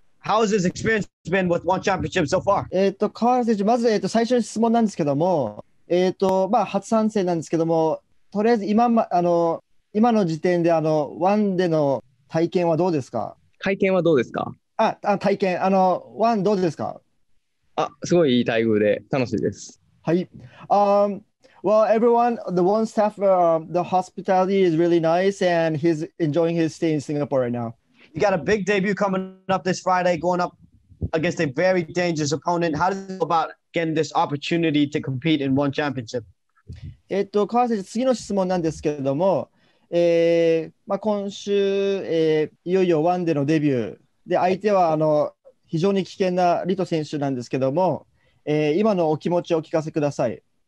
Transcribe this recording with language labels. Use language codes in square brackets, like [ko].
[en] How has his experience been with one championship so far? [ja] 川原選手、まず、最初の質問なんですけども、まあ、初参戦なんですけども、とりあえず今、ま、今の時点で、ワンでの体験はどうですか？体験はどうですか？あ、体験、ワンどうですか？あ、すごいいい待遇で楽しいです。はい。 [en] Well, everyone, the one staff, the hospitality is really nice, and he's enjoying his stay in Singapore right now. You got a big debut coming up this Friday, going up against a very dangerous opponent. How do you feel about getting this opportunity to compete in one championship? [ja] 川瀬、次の質問なんですけれども、まあ、今週、いよいよワンでのデビューで、相手は非常に危険なリト選手なんですけども、今のお気持ちをお聞かせください。